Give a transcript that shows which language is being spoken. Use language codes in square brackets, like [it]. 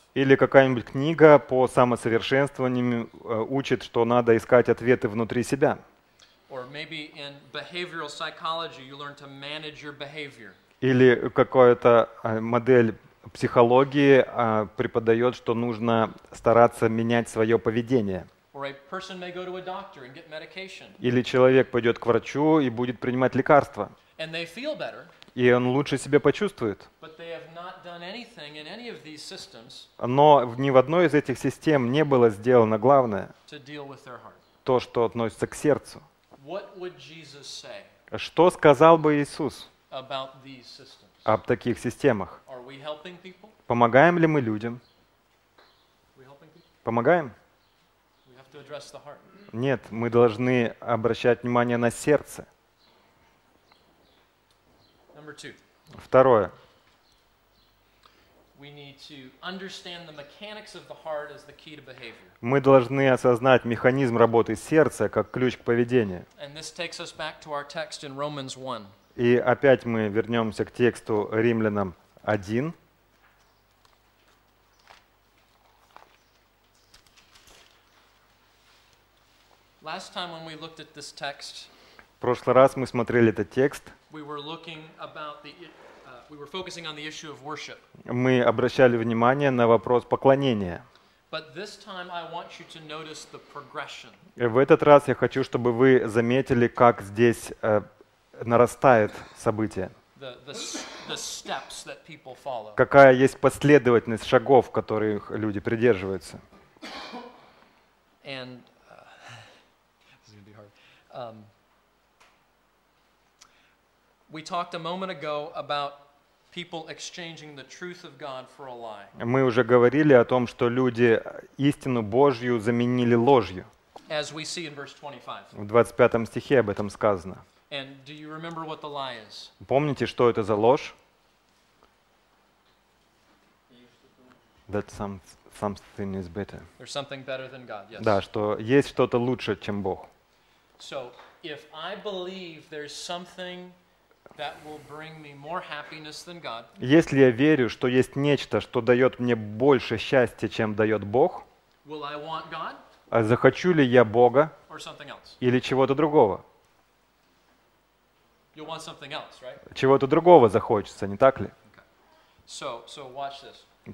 [ru] Или какая-нибудь книга по самосовершенствованию учит, что надо искать ответы внутри себя. [en] Or maybe in behavioral psychology you learn to manage your behavior. [ru] Или какая-то модель психологии преподает, что нужно стараться менять свое поведение. [en] Or a person may go to a doctor and get medication. [ru] Или человек пойдет к врачу и будет принимать лекарства. [en] And they feel better. [ru] И он лучше себя почувствует. [en] But they have not done anything in any of these systems. [ru] Но ни в одной из этих систем не было сделано главное. [en] To deal with their heart. [ru] То, что относится к сердцу. [en] What would Jesus say? [ru] Что сказал бы Иисус? [en] About these systems. [ru] Об таких системах. [en] Are we helping people? [ru] Помогаем ли мы людям? [en] We helping people? [ru] Помогаем? [en] We have to address the heart. [ru] Нет, мы должны обращать внимание на сердце. Второе. [en] We need to understand the mechanics of the heart as the key to behavior. [ru] Мы должны осознать механизм работы сердца как ключ к поведению. [en] And this takes us back to our text in Romans 1. [ru] И опять мы вернемся к тексту Римлянам 1. [en] Last time when we looked at this text. [ru] В прошлый раз мы смотрели этот текст. Мы обращали внимание на вопрос поклонения. [en] But this time I want you to notice the progression. [ru] И в этот раз я хочу, чтобы вы заметили, как здесь нарастает событие. [en] The steps that people follow. [ru] Какая есть последовательность шагов, которых люди придерживаются. [en] And, this is gonna be hard. We talked a moment ago about people exchanging the truth of God for a lie. [ru] Мы уже говорили о том, что люди истину Божью заменили ложью. [en] As we see in verse 25. [ru] В 25 стихе об этом сказано. [en] And do you remember what the lie is? [ru] Помните, что это за ложь? [en] That something is better. There's something better than God, yes. [ru] Да, что есть что-то лучше, чем Бог. [en] So, if I believe there's something that will bring me more happiness than God. [ru] Если я верю, что есть нечто, что дает мне больше счастья, чем дает Бог, [en] will I want God? [ru] А захочу ли я Бога? [en] Or something else? [ru] Или чего-то другого? [en] You'll want something else, right? [ru] Чего-то другого захочется, не так ли? [en] Okay. So watch this.